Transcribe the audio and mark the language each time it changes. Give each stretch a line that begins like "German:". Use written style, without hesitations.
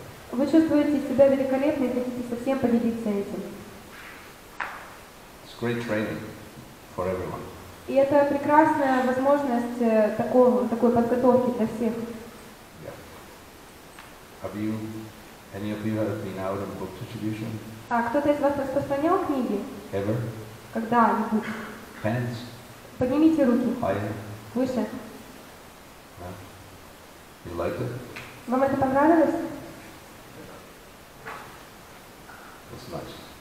Russian: Вы чувствуете себя великолепно и хотите со всем поделиться этим.
English: It's great training for everyone.
Russian: И это прекрасная возможность такой подготовки для всех.
English: Yeah. Have you, any of you have been out on book distribution?
Russian: А кто-то из вас распространял книги?
English: Ever?
Russian: Когда-нибудь?
English: Hands?
Russian: Поднимите руки.
English: Higher?
Russian: Выше.
English: Yeah. You liked it?
Russian: Вам это понравилось?
English: That's nice.